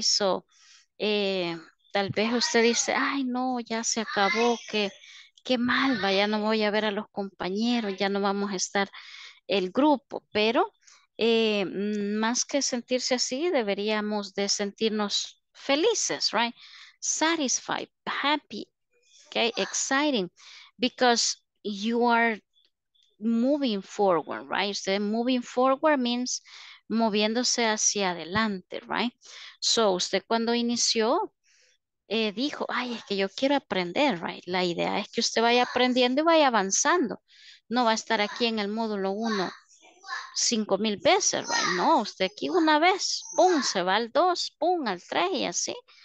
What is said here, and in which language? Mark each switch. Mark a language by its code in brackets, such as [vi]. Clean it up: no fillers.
[es] So, tal vez usted dice, ay, no, ya se acabó, qué mal, ya no voy a ver a los compañeros, ya no vamos a estar el grupo. Pero más que sentirse así, deberíamos de sentirnos felices, right? [en] Satisfied, happy, okay, exciting, because you are moving forward, right? So, moving forward means [es] moviéndose hacia adelante, [en] right? [es] So, usted cuando inició, dijo, ay, es que yo quiero aprender, right? La idea es que usted vaya aprendiendo y vaya avanzando. No va a estar aquí en el módulo 1 5,000 veces, right? No, usted aquí una vez, pum, se va al 2, pum, al 3 y así.